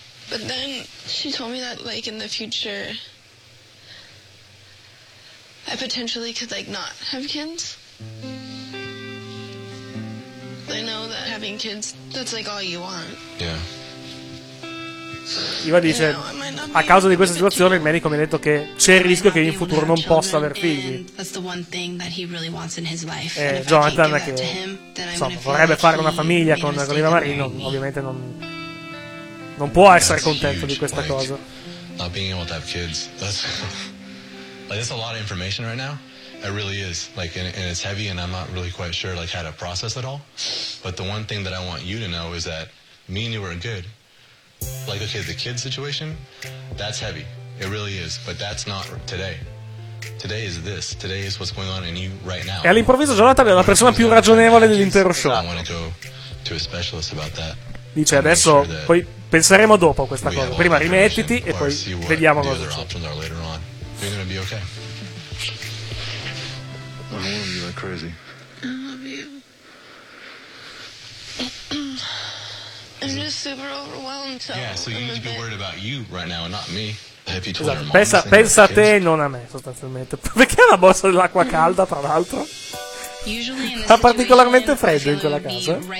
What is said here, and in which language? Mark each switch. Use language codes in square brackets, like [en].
[en] But then she told me that like in the future I potentially could like not have kids. I know that having kids, that's like all you want. Yeah. [it] Iva dice a causa di questa situazione il medico mi ha detto che c'è il rischio che in futuro non possa aver figli e Jonathan che insomma, vorrebbe fare una famiglia con Iva Marino ovviamente non può essere contento di questa cosa. [en] Not being able to have kids, that's a lot of information right now. It really is like and it's heavy and I'm not really quite sure like how to process it all. But the one thing that I want you to know is that me and you are good. Like, okay, the kid situation, that's heavy. It really is. But that's not today. Today is this. Today is what's going on in you right now. [it] E all'improvviso Jonathan è la persona più ragionevole dell'intero show. [en] I want to go to a specialist about that. [it] Dice adesso, poi penseremo dopo questa cosa. Prima rimettiti e poi vediamo cosa succede. [en] You're going to be okay. Oh, you're crazy. I love you. I'm just super overwhelmed. So yeah, so you need to be worried about you right now and not me. [it] Esatto. Pensa a te e non a me, sostanzialmente. Perché è una borsa dell'acqua calda, tra l'altro? Fa particolarmente freddo in quella casa.